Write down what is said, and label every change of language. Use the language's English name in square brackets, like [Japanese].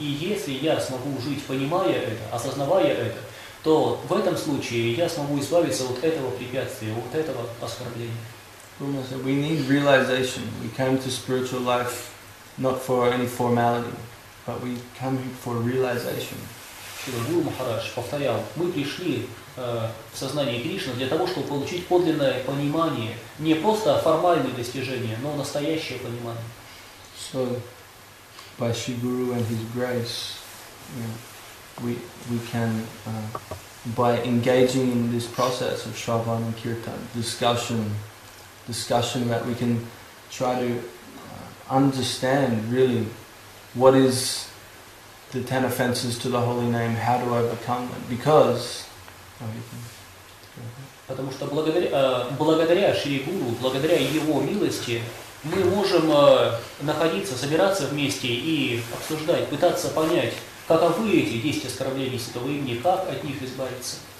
[Russian] И если я смогу жить, понимая это, осознавая это, то в этом случае я смогу избавиться от этого препятствия, от этого оскорбления. [English] Guru said, we need realization. We came to spiritual life not for any formality, but we come for realization. [Russian] Гуру Махарадж повторял, мы пришли в сознание Кришны для того, чтобы получить подлинное понимание, не просто формальные достижения, но настоящее понимание. [English] So, by Shri Guru and His grace, you know, we can, by engaging in this process of Shravan and Kirtan, discussion that we can try to understand really what is the 10 offenses to the holy name, how to overcome them, because... [Russian] Потому что благодаря Шри Гуру, благодаря Его милости, мы можем находиться, собираться вместе и обсуждать, пытаться понять, каковы эти 10 оскорблений святого имени, как от них избавиться.